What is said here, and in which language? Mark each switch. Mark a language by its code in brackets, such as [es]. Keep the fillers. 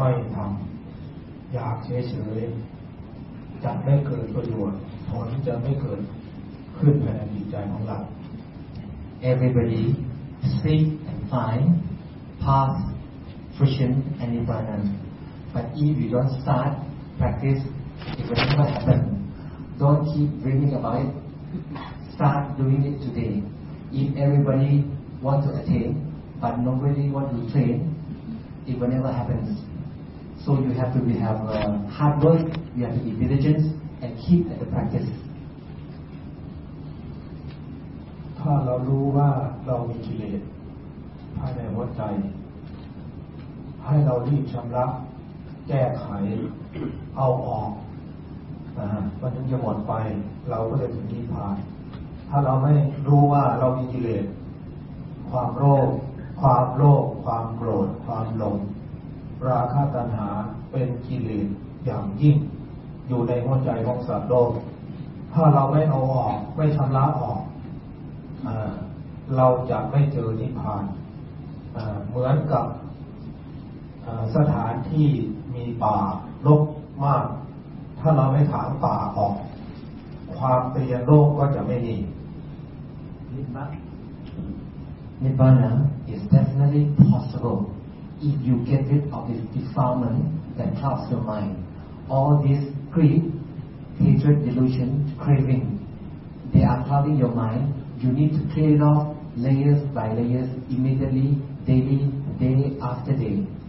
[th] ไม่ทำอยากเฉยๆจะไม่เกิดประโยชน์ ผลจะไม่เกิดขึ้นภายในจิตใจของเรา [en] Everybody seek and find path, fruition, and nirvana. But if you don't start practice, it will never happen. Don't keep dreaming about it. Start doing it today. If everybody want to attain, but nobody want to train, it will never happen. So you have to be have uh, hard work, you have to be diligent, and keep at the practice. [th] ถ้าเรารู้ว่าเรามีกิเลสภายในหัวใจ ให้เรารีบชำระแก้ไข เอาออกนะฮะมันถึงจะหมดไป เราก็จะถึงนิพพาน ถ้าเราไม่รู้ว่าเรามีกิเลส ความโลภความโลภความโกรธ ความหลง ราคะตัณหาเป็นกิเลสอย่างยิ่ง อยู่ในหัวใจของสัตว์โลก ถ้าเราไม่เอาออกไม่ชำระออก เอ่อเราจะไม่เจอนิพพานเอ่อเหมือนกับเอ่อสถานที่มีป่ารกมาก ถ้าเราไม่ถางป่าออก ความเปลี่ยนโลกก็จะไม่มี [en] Nibbana is definitely possible if you get rid of this defilement that clouds your mind. All this greed, hatred, delusion, craving, they are clouding your mind. You need to clear it off layers by layers immediately, daily, day after day.